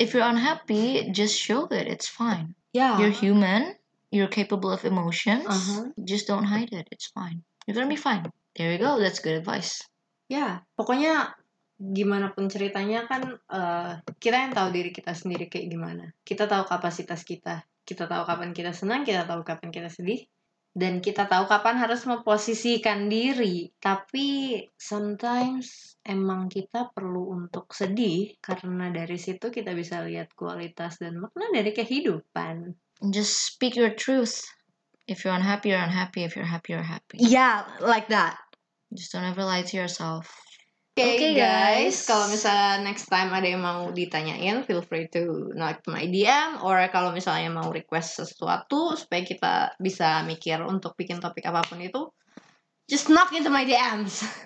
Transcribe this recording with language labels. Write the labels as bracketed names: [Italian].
[English] if you're unhappy, just show it, it's fine. Yeah. You're human, you're capable of emotions, uh-huh. Just don't hide it, it's fine. You're gonna be fine. There you go, that's good advice. [Indonesian] Yeah, pokoknya gimana pun ceritanya kan kita yang tahu diri kita sendiri kayak gimana. Kita tahu kapasitas kita, kita tahu kapan kita senang, kita tahu kapan kita sedih. dan kita tahu kapan harus memposisikan diri. Tapi sometimes emang kita perlu untuk sedih, karena dari situ kita bisa lihat kualitas dan makna dari kehidupan. [English] Just speak your truth. If you're unhappy, you're unhappy. If you're happy, you're happy. Yeah, like that. Just don't ever lie to yourself. [Indonesian] Okay, okay guys, kalau misalnya [English] next time [Indonesian] ada yang mau ditanyain, [English] feel free to knock my DM, [Indonesian] or kalau misalnya mau request sesuatu supaya kita bisa mikir untuk bikin topik apapun itu, [English] just knock into my DMs.